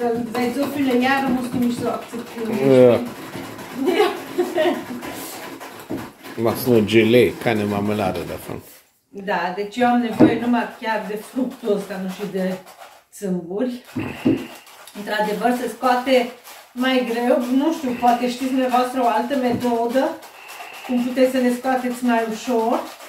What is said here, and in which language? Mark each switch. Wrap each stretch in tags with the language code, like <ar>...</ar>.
<de>Vei zofile iară, nu știu nici să o acceptiu. Machst nur Gelee, keine Marmelade davon.</de> <ro>Da, deci eu am nevoie numai chiar de fructul ăsta, nu și de țâmburi. Într-adevăr, se scoate mai greu. Nu știu, poate știți dumneavoastră o altă metodă cum puteți să le scoateți mai ușor.</ro>